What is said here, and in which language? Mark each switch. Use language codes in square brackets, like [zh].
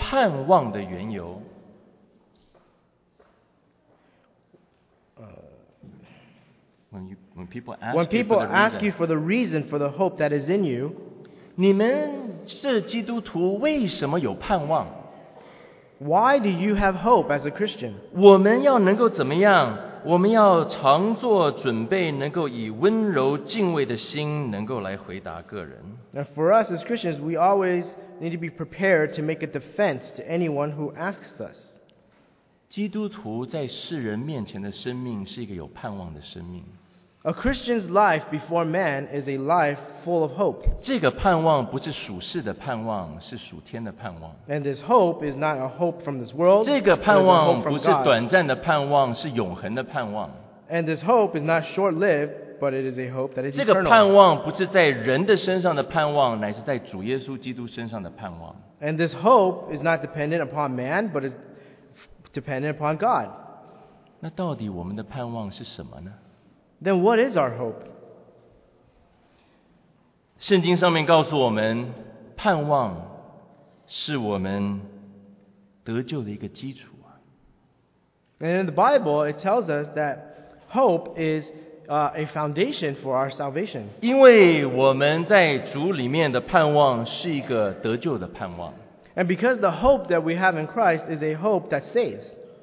[zh] 当人问你们心中盼望的缘由, [en] when people ask you for the reason for the hope that is in you, [zh] 你们是基督徒为什么有盼望? [en] Why do you have hope as a Christian? [zh] 我们要能够怎么样? 我们要常做准备能够以温柔敬畏的心能够来回答个人。 [en] Now for us as Christians, we always need to be prepared to make a defense to anyone who asks us. [zh] 基督徒在世人面前的生命是一个有盼望的生命。 [en] A Christian's life before man is a life full of hope. [zh] 这个盼望不是属世的盼望, 是属天的盼望。 [en] And this hope is not a hope from this world. [zh] 这个盼望不是短暂的盼望, 是永恒的盼望。 [en] And this hope is not short-lived, but it is a hope that is eternal. [zh] 这个盼望不是在人的身上的盼望, 乃是在主耶稣基督身上的盼望。 [en] And this hope is not dependent upon man, but is dependent upon God. [zh] 那到底我们的盼望是什么呢? [en] Then what is our hope? [zh] 圣经上面告诉我们, 盼望是我们得救的一个基础。 [en] And in the Bible, it tells us that hope is a foundation for our salvation. [zh] 因为我们在主里面的盼望是一个得救的盼望。 [en] And because the hope that we have in Christ is a hope that saves.